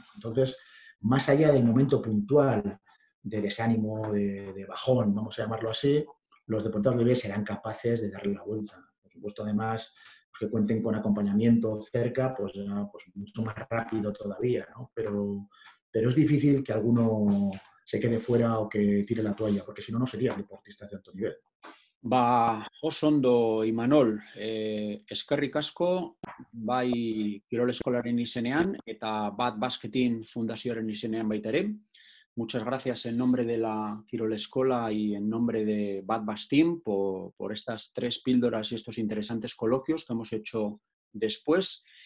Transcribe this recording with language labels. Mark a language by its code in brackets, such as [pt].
[es] Entonces, más allá del momento puntual de desánimo, de bajón, vamos a llamarlo así, los deportistas leves serán capaces de darle la vuelta. Por supuesto, además, los que cuenten con acompañamiento cerca, pues mucho más rápido todavía, ¿no? Pero es difícil que alguno se quede fuera o que tire la toalla, porque si no, no serían deportistas de alto nivel. [eu] Ba, osondo, Imanol, eskerrik asko, bai Kirol Eskolaren izenean, eta Bat Basketin Fundazioaren izenean baita ere. [es] Muchas gracias en nombre de la Kirol Eskola y en nombre de Bat Bastin por estas tres píldoras y estos interesantes coloquios que hemos hecho después.